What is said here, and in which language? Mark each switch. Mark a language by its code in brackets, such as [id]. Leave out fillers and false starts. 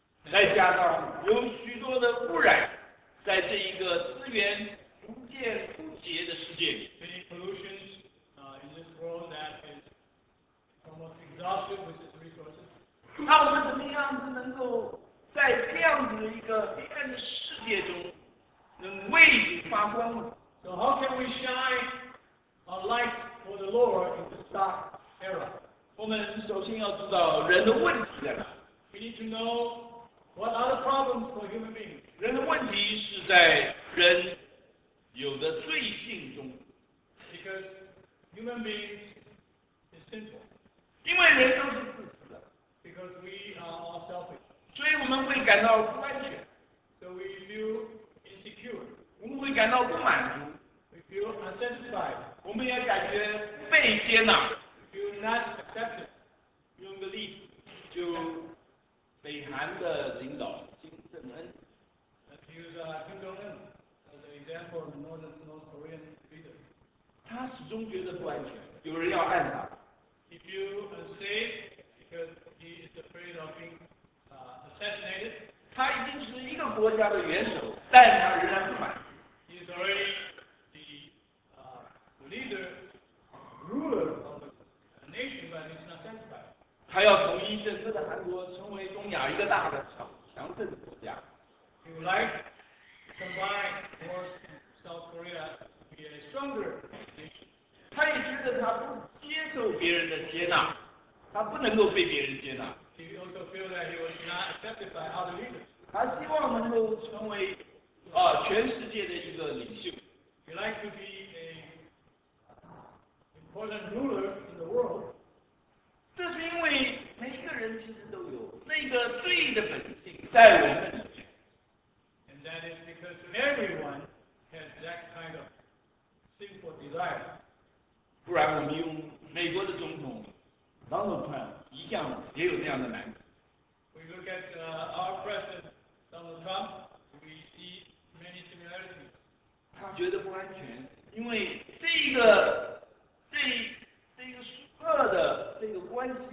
[zh] 再加上有许多的污染，在这一个资源。无限枯竭的世界里 [en] many pollutions in this world that is almost exhausted with its resources. [zh] 那我们怎么样子能够在这样子一个黑暗的世界中能为主发光呢？ [en] So how can we shine a light for the Lord in this dark era? [zh] 我们首先要知道人的问题在哪。 [en] We need to know what are the problems for human beings. [zh] 人的问题是在人。有的罪性中 [en] ，because human beings is sinful， [zh] 因为人都是自私的 [en] ，because we are all selfish， [zh] 所以我们会感到不安全 [en] ，so we feel insecure， [zh] 我们会感到不满足 [en] ，we feel unsatisfied， [zh] 我们也感觉被接纳 [en] ，we feel not accepted， [zh] 用个例子，就北韩的领导金正恩 [en] ，let's use Kim Jong Un。 Example, North Korean leader. [zh] 他始终觉得不安全，有人要害他。 [en] He feels unsafe because he is afraid of being assassinated. [zh] 他已经是一个国家的元首，但他仍然不满。 [en] He is already the leader, ruler of a nation, but he's not satisfied. [zh] 他要统一整个的韩国，成为东亚一个大的强盛的国家。 [en] He would like. Combine North and South Korea to be a stronger nation. [zh] 他也觉得他不接受别人的接纳，他不能够被别人接纳。 [en] He also feels that he was not accepted by other leaders. [zh] 他希望能够成为全世界的一个领袖。 [en] He likes to be an important ruler in the world. [zh] 这是因为每一个人其实都有那个罪的本性在我们。 [en] That is because everyone has that kind of sinful desire. [zh] 不然我们用美国的总统 Donald Trump 一样也有这样的难题。 [en] We look at our president Donald Trump, we see many similarities. [zh] 他觉得不安全，因为这个这个时刻的这个关